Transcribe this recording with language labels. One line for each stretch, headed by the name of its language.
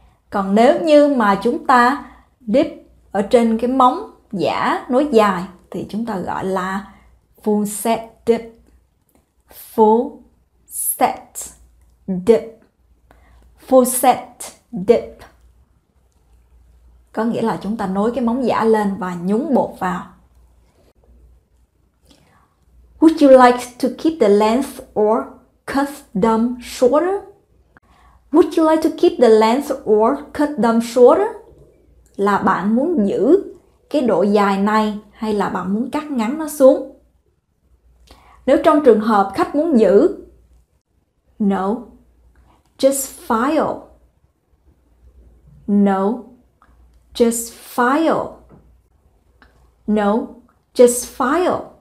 Vietnamese: Còn nếu như mà chúng ta dip ở trên cái móng giả nối dài thì chúng ta gọi là full set dip.
English: Full set dip. Full set dip.
Vietnamese: Có nghĩa là chúng ta nối cái móng giả lên và nhúng bột vào.
English: Would you like to keep the length or cut them shorter? Would you like to keep the length or cut them shorter?
Vietnamese: Là bạn muốn giữ cái độ dài này hay là bạn muốn cắt ngắn nó xuống? Nếu trong trường hợp khách muốn giữ,
English: no, just file. No, just file. No, just file.